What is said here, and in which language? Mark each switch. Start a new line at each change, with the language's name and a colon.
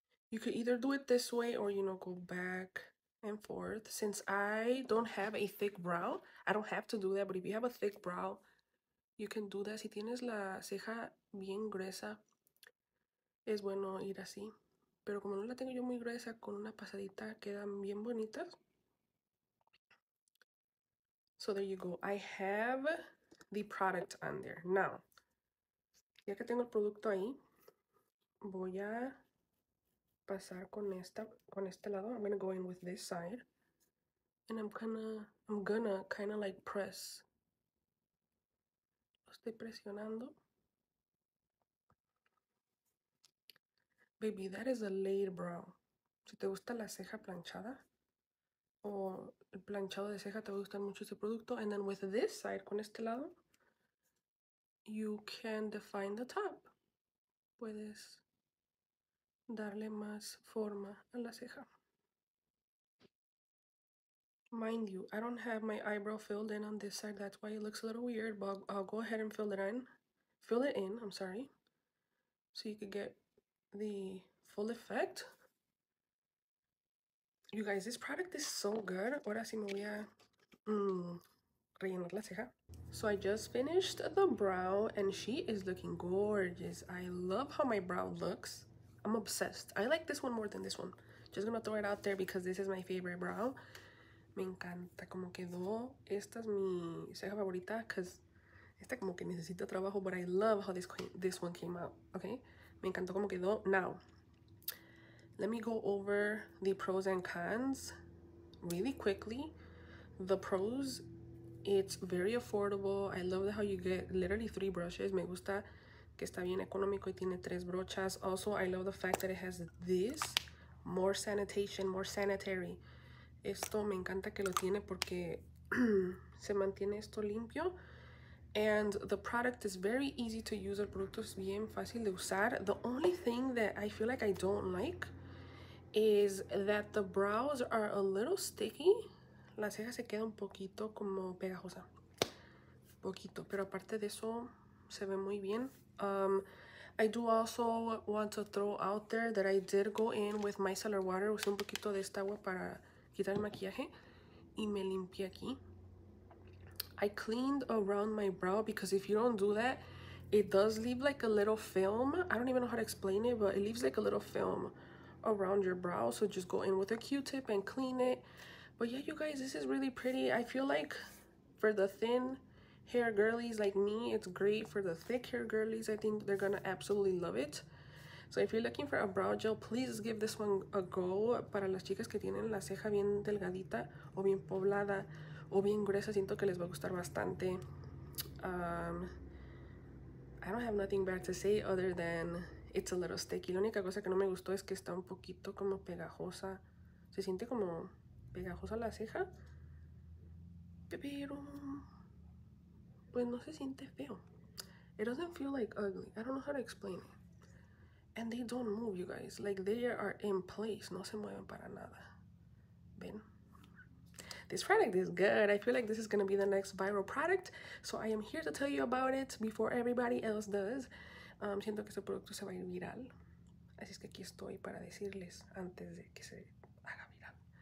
English: You could either do it this way or, you know, go back and forth. Since I don't have a thick brow, I don't have to do that. But if you have a thick brow, you can do that.
Spanish: Si tienes la ceja bien gruesa, es bueno ir así. Pero como no la tengo yo muy gruesa, con una pasadita quedan bien bonitas.
English: So there you go. I have the product on there. Now,
Spanish: ya que tengo el producto ahí, voy a pasar con esta, con este lado.
English: I'm gonna go in with this side and I'm gonna kind of like press.
Spanish: Lo estoy presionando.
English: Baby, that is a laid brow.
Spanish: Si te gusta la ceja planchada o el planchado de ceja, te va a gustar mucho este producto.
English: And then with this side,
Spanish: con este lado,
English: you can define the top.
Spanish: Puedes darle más forma a la ceja.
English: Mind you, I don't have my eyebrow filled in on this side. That's why it looks a little weird, but I'll go ahead and fill it in, I'm sorry. So you could get the full effect. You guys, this product is so good.
Spanish: Ahora sí me voy a rellenar la ceja.
English: So I just finished the brow and she is looking gorgeous. I love how my brow looks. I'm obsessed. I like this one more than this one. Just gonna throw it out there because this is my favorite brow.
Spanish: Me encanta como quedó. Esta es mi ceja favorita
English: because
Spanish: esta como que necesita trabajo,
English: but I love how this one came out, okay?
Spanish: Me encantó como quedó.
English: Now, let me go over the pros and cons really quickly. The pros, it's very affordable. I love how you get literally three brushes.
Spanish: Me gusta que está bien económico y tiene tres brochas.
English: Also, I love the fact that it has this. More sanitation, more sanitary.
Spanish: Esto me encanta que lo tiene porque se mantiene esto limpio.
English: And the product is very easy to use.
Spanish: El producto es bien fácil de usar.
English: The only thing that I feel like I don't like is that the brows are a little sticky.
Spanish: La ceja se queda un poquito como pegajosa. Poquito. Pero aparte de eso, se ve muy bien.
English: I do also want to throw out there that I did go in with micellar water.
Spanish: Usé un poquito de esta agua para quitar el maquillaje. Y me limpié aquí.
English: I cleaned around my brow because if you don't do that, it does leave like a little film. I don't even know how to explain it, but it leaves like a little film around your brow. So just go in with a Q-tip and clean it. But yeah, you guys, this is really pretty. I feel like for the thin hair girlies like me, it's great. For the thick hair girlies, I think they're gonna absolutely love it. So if you're looking for a brow gel, please give this one a go.
Spanish: Para las chicas que tienen la ceja bien delgadita o bien poblada o bien gruesa, siento que les va a gustar bastante.
English: I don't have nothing bad to say other than it's a little sticky.
Spanish: La única cosa que no me gustó es que está un poquito como pegajosa. Se siente como pegajosa la ceja. Pero pues no se siente feo.
English: It doesn't feel like ugly. I don't know how to explain it. And they don't move, you guys. Like, they are in place.
Spanish: No se mueven para nada. Ven.
English: This product is good. I feel like this is going to be the next viral product. So I am here to tell you about it before everybody else does.
Spanish: Siento que este producto se va a ir viral. Así es que aquí estoy para decirles antes de que se haga viral.